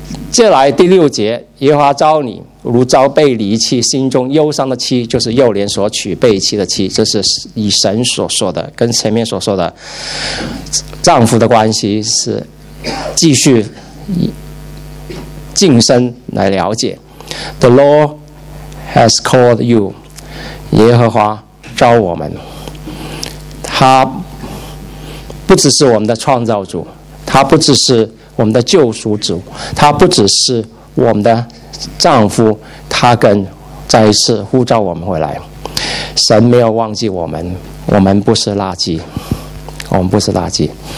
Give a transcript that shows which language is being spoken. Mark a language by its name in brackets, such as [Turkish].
[Chinese] 接下来第六节，耶和华召你如遭被离弃心中忧伤的妻，就是幼年所娶背弃的妻。这是以神所说的，跟前面所说的丈夫的关系是继续晋升来了解。 [English] The Lord has called you， [Chinese] 耶和华召我们。他不只是我们的创造主，他不只是我们的救赎主，他不只是我们的丈夫，他跟再一次呼召我们回来。神没有忘记我们，我们不是垃圾，我们不是垃圾。